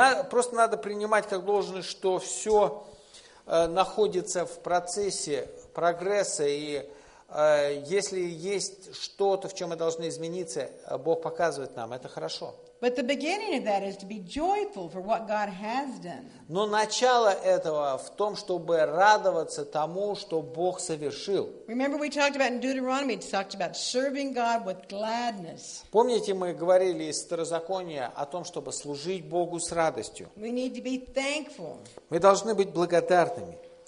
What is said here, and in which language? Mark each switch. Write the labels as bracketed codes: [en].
[ru] Просто надо принимать как должное, что все находится в процессе прогресса, и если есть что-то, в чем мы должны измениться, Бог показывает нам, это хорошо. [en] But the beginning of that is to be joyful for what God has done. [ru] Но начало этого в том, чтобы радоваться тому, что Бог совершил. [en] Remember we talked about in Deuteronomy, it talked about serving God with gladness. [ru] Помните, мы говорили из Второзакония о том, чтобы служить Богу с радостью. [en] We need to be thankful. [ru] Мы должны быть благодарными.